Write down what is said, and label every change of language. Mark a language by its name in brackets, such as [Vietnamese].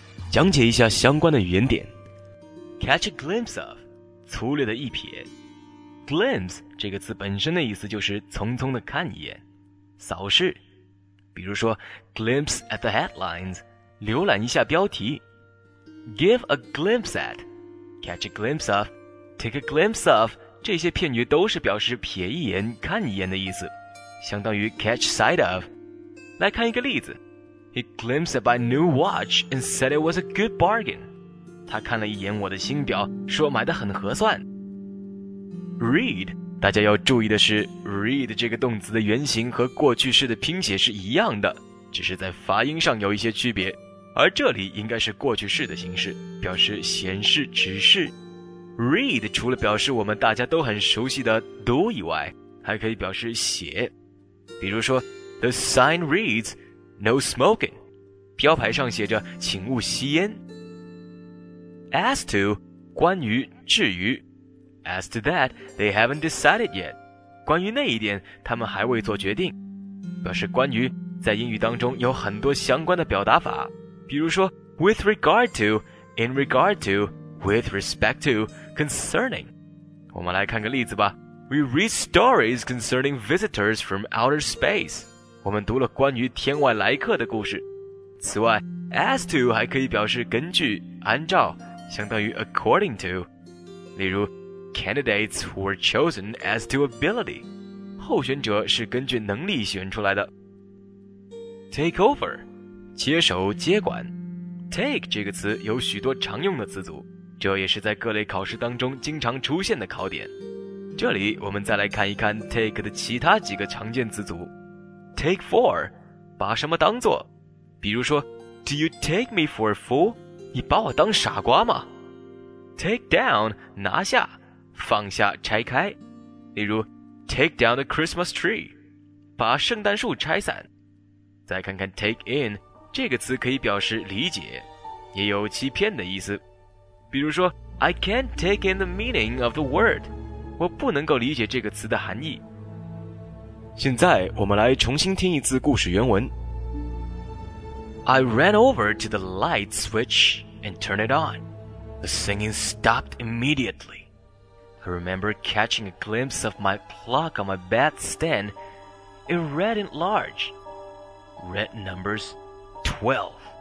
[Chinese] 讲解一下相关的语言点。 [English] Catch a glimpse of， [Chinese] 粗略的一瞥。 Glimpse 这个字本身的意思就是匆匆的看一眼，扫视。比如说 [English] Glimpse at the headlines， [Chinese] 浏览一下标题。 [English] Give a glimpse at， Catch a glimpse of， Take a glimpse of， [Chinese] 这些片语都是表示瞥一眼看一眼的意思，相当于 [English] catch sight of。 [Chinese] 来看一个例子。 [English] He glimpsed my new watch and said it was a good bargain. [Chinese] 他看了一眼我的新表，说买得很合算。 [English] Read， [Chinese] 大家要注意的是 ，read 这个动词的原型和过去式的拼写是一样的，只是在发音上有一些区别。而这里应该是过去式的形式，表示显示、指示。 Read 除了表示我们大家都很熟悉的读以外，还可以表示写。比如说 [English] ，The sign reads。 No smoking. [Chinese] 标牌上写着请勿吸烟。 [English] As to, [Chinese] 关于至于。 [English] As to that, they haven't decided yet. [Chinese] 关于那一点他们还未做决定。表示关于在英语当中有很多相关的表达法。比如说 [English] with regard to, in regard to, with respect to, concerning. [Chinese] 我们来看个例子吧。 [English] We read stories concerning visitors from outer space. [Chinese] 我们读了关于天外来客的故事。此外 [English] as to [Chinese] 还可以表示根据、按照，相当于 [English] according to。 [Chinese] 例如 [English] candidates were chosen as to ability， [Chinese] 候选者是根据能力选出来的。 [English] take over， [Chinese] 接手、接管。 take 这个词有许多常用的词组，这也是在各类考试当中经常出现的考点。这里我们再来看一看 take 的其他几个常见词组。 [English] Take for， [Chinese] 把什么当作？比如说 [English] ，Do you take me for a fool？ [Chinese] 你把我当傻瓜吗 [English] ？Take down， [Chinese] 拿下、放下、拆开。例如 [English] ，Take down the Christmas tree， [Chinese] 把圣诞树拆散。再看看 [English] take in， [Chinese] 这个词可以表示理解，也有欺骗的意思。比如说 [English] ，I can't take in the meaning of the word， [Chinese] 我不能够理解这个词的含义。现在我们来重新听一次故事原文。 [English] I ran over to the light switch and turned it on. The singing stopped immediately. I remember catching a glimpse of my clock on my bedstand. It read in large. Red numbers 12.